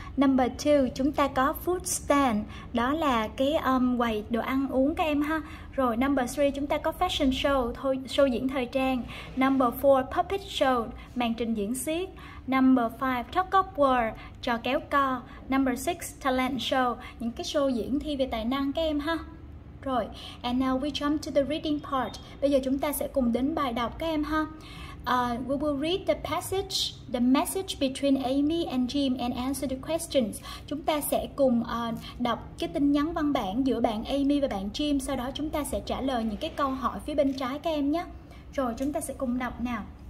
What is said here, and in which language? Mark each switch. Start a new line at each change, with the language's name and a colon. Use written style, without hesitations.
Vietnamese: Number 2, chúng ta có food stand, đó là cái quầy đồ ăn uống các em ha. Rồi, number 3, chúng ta có fashion show, show diễn thời trang. Number 4, puppet show, màn trình diễn xiếc. Number 5, tug of war, trò kéo co. Number 6, talent show, những cái show diễn thi về tài năng các em ha.
English: Rồi, and now we jump to the reading part.
Vietnamese: Bây giờ chúng ta sẽ cùng đến bài đọc các em ha.
English: We will read the passage, the message between Amy and Jim and answer the questions.
Vietnamese: Chúng ta sẽ cùng đọc cái tin nhắn văn bản giữa bạn Amy và bạn Jim. Sau đó chúng ta sẽ trả lời những cái câu hỏi phía bên trái các em nhé. Rồi, chúng ta sẽ cùng đọc nào.